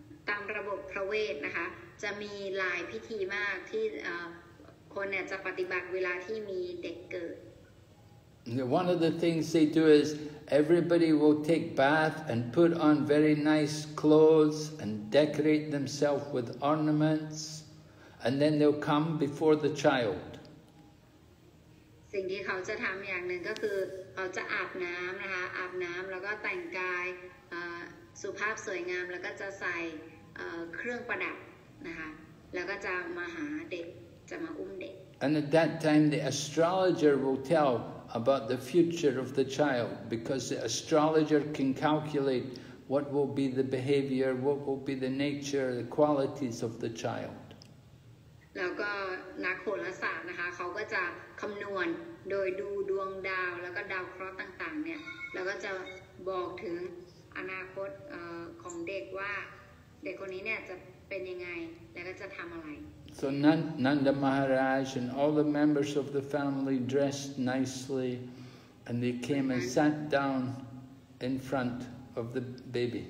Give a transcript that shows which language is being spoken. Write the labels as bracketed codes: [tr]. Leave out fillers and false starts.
[th] ตามระบบพระเวทนะคะจะมีหลายพิธีมากที่คนเนี่ยจะปฏิบัติเวลาที่มีเด็กเกิด [en] One of the things they do is everybody will take bath and put on very nice clothes and decorate themselves with ornaments, and then they'll come before the child. [th] สิ่งที่เขาจะทำอย่างหนึ่งก็คือเขาจะอาบน้ำนะคะอาบน้ำแล้วก็แต่งกายสุภาพสวยงามแล้วก็จะใส่เครื่องประดับนะคะแล้วก็จะมาหาเด็กจะมาอุ้มเด็ก [en] And at that time, the astrologer will tell about the future of the child, because the astrologer can calculate what will be the behavior, what will be the nature, the qualities of the child. [th] แล้วก็นักโหราศาสตร์นะคะเขาก็จะคำนวณโดยดูดวงดาวแล้วก็ดาวเคราะห์ต่างๆเนี่ยแล้วก็จะบอกถึงอนาคตของเด็กว่าเด็กคนนี้เนี่ยจะเป็นยังไงแล้วก็จะทำอะไร [en] So Nanda Maharaj and all the members of the family dressed nicely and they came and sat down in front of the baby.